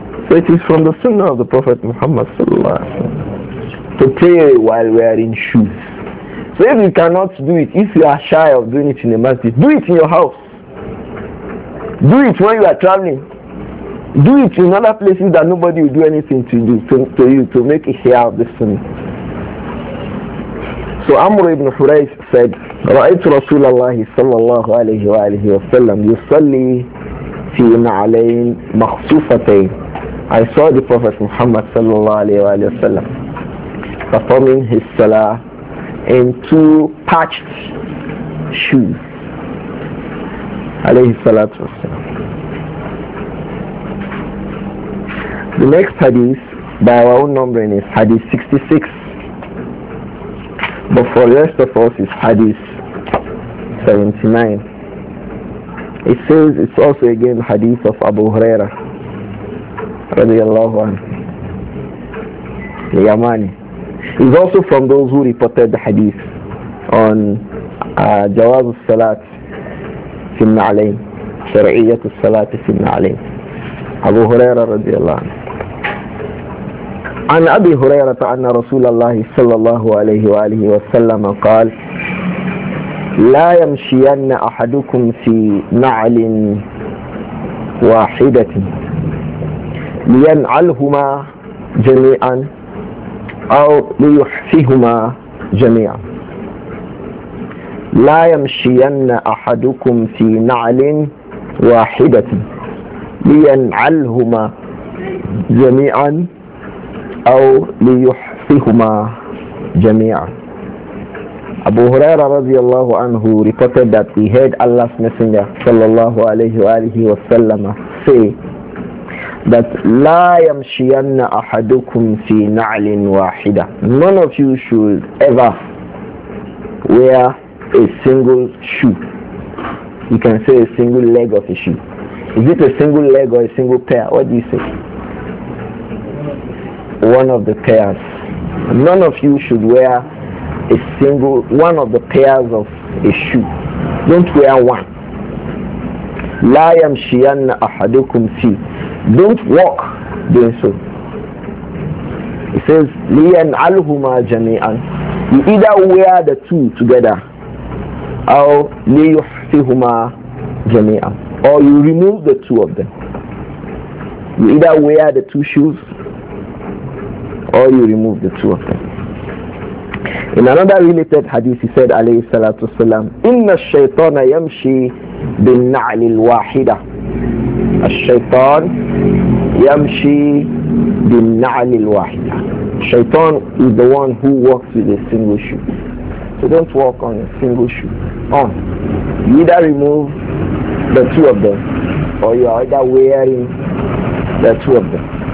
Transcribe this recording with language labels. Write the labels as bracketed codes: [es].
[en] So it is from the sunnah of the Prophet Muhammad sallallahu alaihi wasallam to pray while wearing shoes. So if you cannot do it, if you are shy of doing it in a masjid, do it in your house. Do it when you are traveling. Do it in other places that nobody will do anything to do to you to make a share of the sunnah. So Amr ibn Hurayth said, [ar] رأيت رسول الله صلى الله عليه وآله وسلم يصلي في نعلين مخصوفتين. [en] I saw the Prophet Muhammad [ar] صلى الله عليه وآله وسلم [en] performing his salah in two patched shoes. [ar] عليه الصلاة والسلام. [en] The next hadith by our own numbering is hadith 66. But for the rest of us, it's hadith 79. It says, it's also again hadith of Abu Hurairah. radiallahu anhu, Yamani. He's also from those who reported the hadith on Jawaz al-Salat Sim Na'alayn, Shari'iyat al-Salat Sim Na'alayn, Abu Huraira radiallahu anhu. [ar] عن أبي هريرة أن رسول الله صلى الله عليه وآله وسلم قال لا يمشين أحدكم في نعل واحدة لينعلهما جميعا أو ليحفهما جميعا لا يمشين أحدكم في نعل واحدة لينعلهما جميعا أو ليحفهما جميعا. أبو هريرة رضي الله عنه [en] reported that he heard Allah's Messenger [ar] صلى الله عليه وآله وسلم [en] say that [ar] لا يمشين أحدكم في نعل واحدة. [en] None of you should ever wear a single shoe. You can say a single leg of a shoe. Is it a single leg or a single pair? What do you say? One of the pairs. None of you should wear a single one of the pairs of a shoe. Don't wear one. [ar] لا يمشين أحدكم في. [en] Don't walk doing so. It says [ar] لينعلهما جميعا. [en] You either wear the two together, or [ar] ليحفهما جميعا, [en] or you remove the two of them. You either wear the two shoes, or you remove the two of them. In another related hadith, he said, [ar] عليه الصلاة والسلام, إِنَّ الشَّيْطَانَ يَمْشِي بِالنَّعْلِ الْوَاحِدَةِ. الشيطان يمشي بالنعل الواحدة. [en] Shaitan is the one who walks with a single shoe. So don't walk on a single shoe. On. You either remove the two of them, or you are either wearing the two of them.